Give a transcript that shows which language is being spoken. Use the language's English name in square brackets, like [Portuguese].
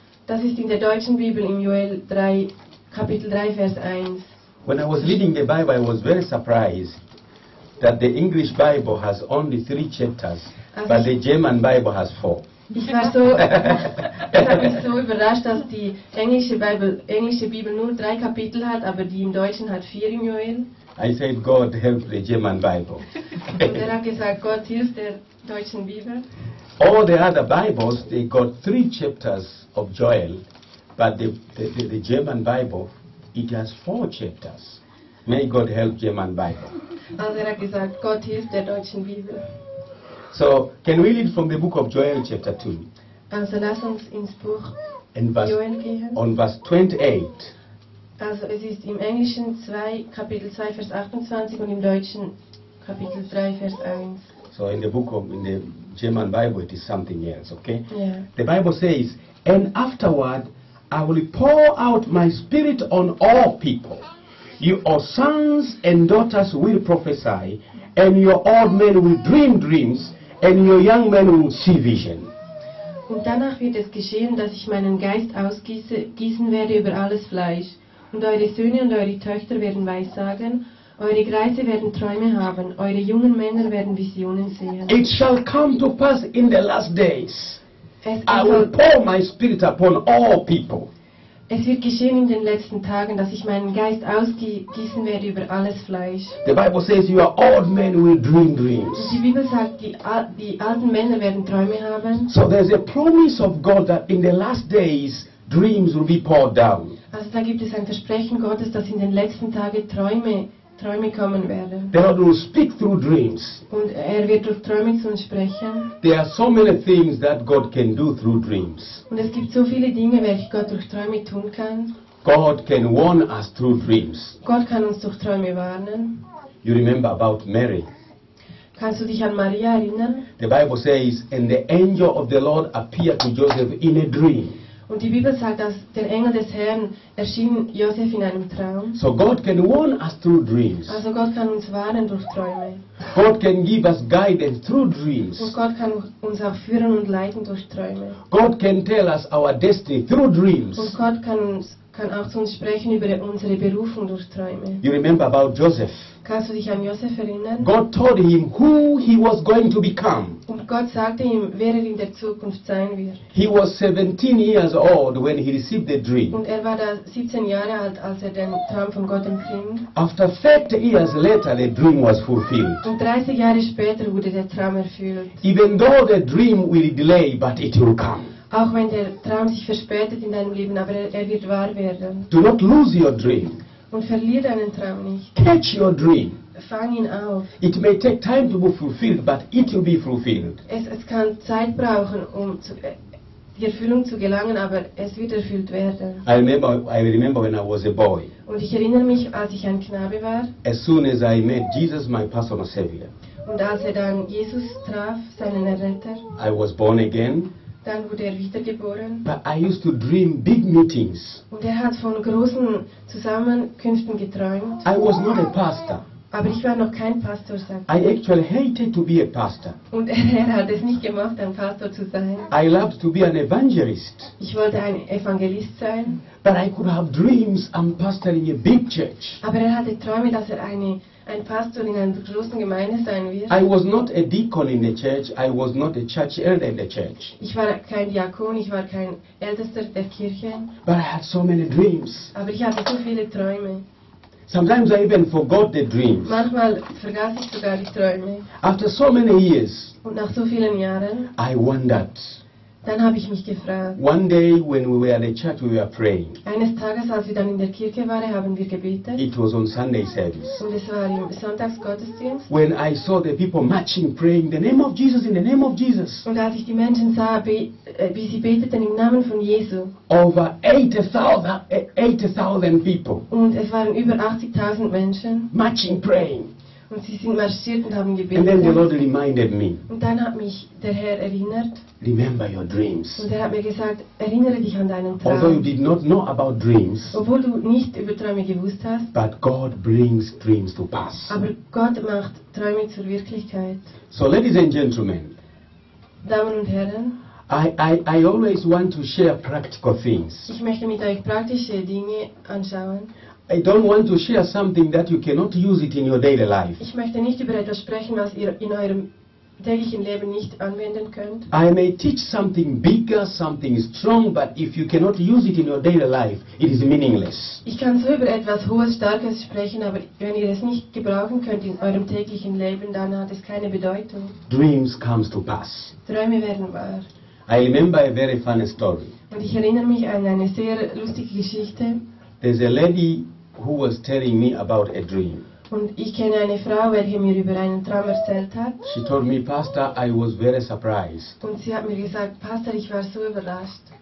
[German] Das ist in der deutschen Bibel im Joel 3, Kapitel 3, Vers 1. [English] When I was reading the Bible, I was very surprised that the English Bible has only 3 chapters, also but the German Bible has 4. [German] Ich war so, das hat mich so überrascht, dass die englische Bibel nur 3 Kapitel hat, aber die im Deutschen hat 4 im Joel. [English] I said, God help the German Bible. [German] Und er hat gesagt, Gott hilf der deutschen Bibel. [English] All the other Bibles, they got 3 chapters of Joel, but the German Bible, it has 4 chapters. May God help German Bible. [German] Also er hat gesagt, Gott hilf der deutschen Bibel. [English] So, can we read from the book of Joel, chapter 2? [German] Also lass uns ins Buch Joel gehen. [English] On verse 28. [German] Also es ist im Englischen Kapitel 2, Vers 28 und im Deutschen Kapitel 3, Vers 1. [English] So in the German Bible it is something else, okay? Yeah. The Bible says, and afterward I will pour out my spirit on all people. Your sons and daughters will prophesy, and your old men will dream dreams, and your young men will see vision. [German] Und danach wird es geschehen, dass ich meinen Geist gießen werde über alles Fleisch. Und eure Söhne und eure Töchter werden weissagen, eure Greise werden Träume haben, eure jungen Männer werden Visionen sehen. [English] It shall come to pass in the last days. I will pour my spirit upon all people. [German] Es wird geschehen in den letzten Tagen, dass ich meinen Geist ausgießen werde über alles Fleisch. [English] The Bible says your old men will dream dreams. [German] Die Bibel sagt, die alten Männer werden Träume haben. [English] So there's a promise of God that in the last days dreams will be poured down. [German] Also da gibt es ein Versprechen Gottes, dass in den letzten Tagen Träume kommen werden. [English] The Lord will speak through dreams. [German] Und er wird durch Träume zu uns sprechen. [English] There are so many things that God can do through dreams. [German] Und es gibt so viele Dinge, welche Gott durch Träume tun kann. [English] God can warn us through dreams. [German] Gott kann uns durch Träume warnen. [English] You remember about Mary? [German] Kannst du dich an Maria erinnern? [English] The Bible says, and the angel of the Lord appeared to Joseph in a dream. [German] Und die Bibel sagt, dass der Engel des Herrn erschien Josef in einem Traum. [English] So God can warn us through dreams. [German] Also Gott kann uns warnen durch Träume. [English] God can give us guidance through dreams. [German] Und Gott kann uns auch führen und leiten durch Träume. [English] God can tell us our destiny through dreams. [German] Und Gott kann auch zu uns sprechen über unsere Berufung durch Träume. [English] You remember about Joseph? [German] Kannst du dich an Josef erinnern? [English] God told him who he was going to become. [German] Und Gott sagte ihm, wer er in der Zukunft sein wird. [English] He was 17 years old when he received the dream. [German] Und er war da 17 Jahre alt, als er den Traum von Gott empfing. [English] After 30 years later, the dream was fulfilled. [German] Und 30 Jahre später wurde der Traum erfüllt. [English] Even though the dream will delay, but it will come. [German] Auch wenn der Traum sich verspätet in deinem Leben, aber er wird wahr werden. [English] Do not lose your dream. [German] Und verlier deinen Traum nicht. [English] Catch your dream. [German] Fang ihn auf. [English] It may take time to be fulfilled, but it will be fulfilled. [German] Es kann Zeit brauchen, um die Erfüllung zu gelangen, aber es wird erfüllt werden. [English] I remember when I was a boy. [German] Und ich erinnere mich, als ich ein Knabe war. [English] As soon as I met Jesus, my personal Savior. [German] Und als er dann Jesus traf, seinen Erretter. [English] I was born again. [German] Dann wurde er wiedergeboren. [English] But I used to dream big meetings. [German] Und er hat von großen Zusammenkünften geträumt. [English] I was not a pastor. [German] Aber ich war noch kein Pastor, sagt er. [English] I actually hated to be a pastor. [German] Und er hat es nicht gemacht, ein Pastor zu sein. [English] I loved to be an evangelist. [German] Ich wollte ein Evangelist sein. [English] But I could have dreams and pastoring a big church. [German] Aber er hatte Träume, dass er ein Pastor in einer großen Gemeinde sein wird. [English] I was not a deacon in the church. I was not a church elder in the church. [German] Ich war kein Diakon, ich war kein Ältester der Kirche. [English] But I had so many dreams. [German] Aber ich hatte so viele Träume. [English] Sometimes I even forgot the dreams. [German] Manchmal vergaß ich sogar die Träume. [English] After so many years, [German] und nach so vielen Jahren, [English] I wondered. [German] Dann habe ich mich gefragt. [English] One day when we were at the church, we were praying. [German] Eines Tages, als wir dann in der Kirche waren, haben wir gebetet. [English] It was on Sunday service. [German] Und es war im Sonntagsgottesdienst. [English] When I saw the people marching, praying the name of Jesus in the name of Jesus. [German] Und als ich die Menschen sah, wie sie beteten im Namen von Jesus. [English] Over 80,000 people. [German] Und es waren über 80,000 Menschen. [English] Marching, praying. [German] Und sie sind marschiert und haben gebetet. [English] And then the Lord reminded me. [German] Und dann hat mich der Herr erinnert. [English] Remember your dreams. [German] Und er hat mir gesagt, erinnere dich an deinen Traum. [English] Although you did not know about dreams. [German] Obwohl du nicht über Träume gewusst hast. [English] But God brings dreams to pass. [German] Aber Gott macht Träume zur Wirklichkeit. [English] So ladies and gentlemen. [German] Damen und Herren. [English] I always want to share practical things. [German] Ich möchte mit euch praktische Dinge anschauen. [English] I don't want to share something that you cannot use it in your daily life. [German] Ich möchte nicht über etwas sprechen, was ihr in eurem täglichen Leben nicht anwenden könnt. [English] I may teach something bigger, something strong, but if you cannot use it in your daily life, it is meaningless. [German] Ich kann so über etwas Hohes, Starkes sprechen, aber wenn ihr es nicht gebrauchen könnt in eurem täglichen Leben, dann hat es keine Bedeutung. [English] Dreams come to pass. [German] Träume werden wahr. [English] I remember a very funny story. [German] Und ich erinnere mich an eine sehr lustige Geschichte. [English] There's a lady who was telling me about a dream. [German] Und ich kenne eine Frau, welche mir über einen Traum erzählt hat. [English] She told me, Pastor, I was very surprised. [German] Und sie hat mir gesagt, Pastor, ich war so überrascht.